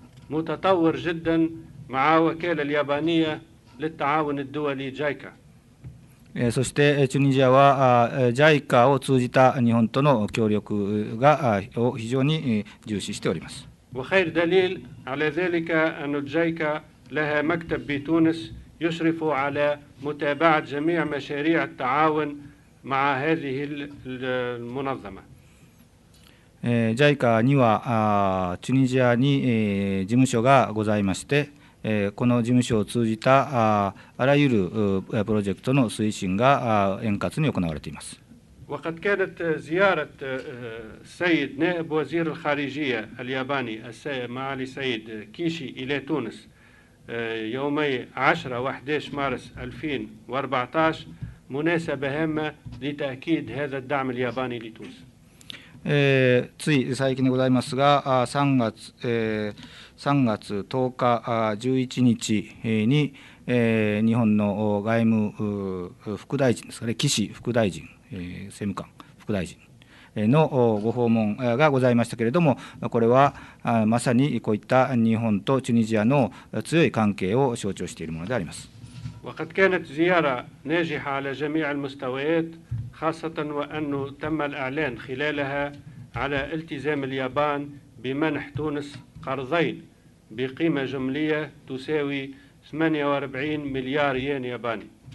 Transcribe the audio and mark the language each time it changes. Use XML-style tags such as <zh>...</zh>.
<ar>متطور جدا مع وكالة اليابانية للتعاون الدولي JICA.</ar> <ja>そしてチュニジアは JICA を通じた日本との協力が非常に重視しております。</ja> <ar>وخير دليل على ذلك أن JICA لها مكتب بتونس يشرف على متابعة جميع مشاريع التعاون مع هذه المنظمة.</ar> <ja>JICA にはチュニジアに事務所がございまして、この事務所を通じたあらゆるプロジェクトの推進が円滑に行われています。</ja> <ar>وقد كانت زيارة السيد نائب وزير الخارجية الياباني معالي السيد كيشي إلى تونس يومي 10 و 11 مارس 2014 مناسبة هامة لتأكيد هذا الدعم الياباني لتونس.</ar> <ja>つい最近でございますが、3月10日11日に、日本の外務副大臣ですかね、岸副大臣、政務官副大臣のご訪問がございましたけれども、これはまさにこういった日本とチュニジアの強い関係を象徴しているものであります。</ja> <ar>وقد كانت زيارة ناجحة على جميع المستويات خاصة وأنه تم الإعلان خلالها على التزام اليابان بمنح تونس قرضين بقيمة جملية تساوي 48 مليار ين ياباني.</ar>